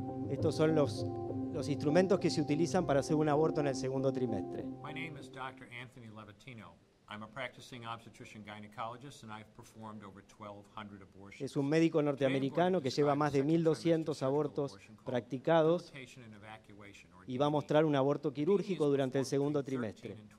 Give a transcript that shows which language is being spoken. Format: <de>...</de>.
<es>Estos son los instrumentos que se utilizan para hacer un aborto en el segundo trimestre.</es> <en>My name is Dr. Anthony Levitino. I'm a practicing obstetrician gynecologist and I've performed over 1200 abortions.</en> <es>Es un médico norteamericano que lleva más de 1200 abortos practicados y va a mostrar un aborto quirúrgico durante el segundo trimestre.</es>